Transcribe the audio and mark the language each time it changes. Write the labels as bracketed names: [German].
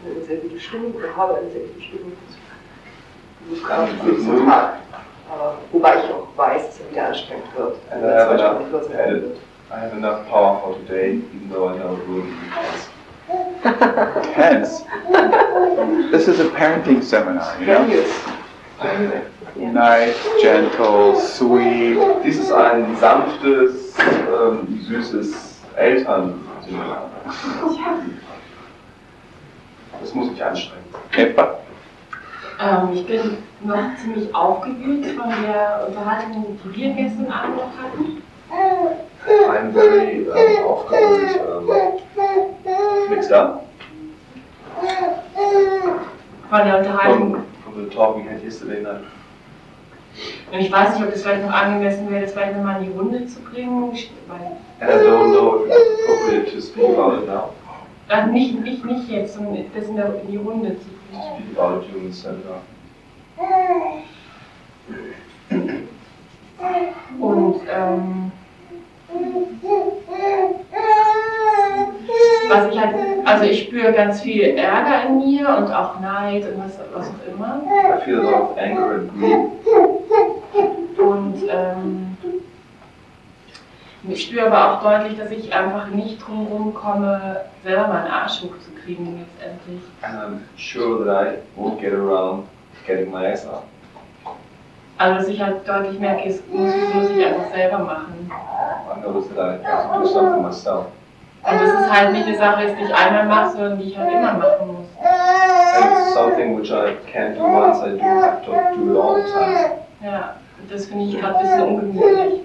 [German] Eine sehr gute Stimmung oder habe eine sehr gute Stimmung. Das kann ich nicht so tun. Wobei ich auch weiß, dass es wieder anstrengend wird. [English] And I have enough, I have enough power for today, even though I know it will be tense. Tense? This is a parenting seminar, you know? Yes. Yeah. Nice, gentle, sweet. This is [German] ein sanftes, süßes Eltern. Das muss mich anstrengen. Epa. Ich bin noch ziemlich aufgewühlt von der Unterhaltung, die wir gestern Abend noch hatten. [English] I'm very aufgewühlt. Mixed up. [German] Von der Unterhaltung. [English] From the talk we had yesterday night. [German] Und ich weiß nicht, ob es vielleicht noch angemessen wäre, das vielleicht nochmal in die Runde zu bringen. [English] And I don't know if it's appropriate to speak about it now. [German] Also nicht jetzt, sondern das in die Runde zu bringen. [English] To speak about it during the seminar. [German] Und was ich halt, also ich spüre ganz viel Ärger in mir und auch Neid und was auch immer. [English] I feel a lot of anger in me. [German] Und ich spüre aber auch deutlich, dass ich einfach nicht drumherum komme, selber meinen Arsch hochzukriegen letztendlich. [English] And I'm sure that I won't get around getting my ass up. [German] Also was ich halt deutlich merke, ist, muss ich einfach selber machen. [English] I notice that I have to do something myself. [German] Und das ist halt nicht eine Sache, die ich einmal mache, sondern die ich halt immer machen muss. [English] It's something which I can't do once, I do have to do a long time. [German] Ja, das finde ich gerade ein bisschen ungemütlich.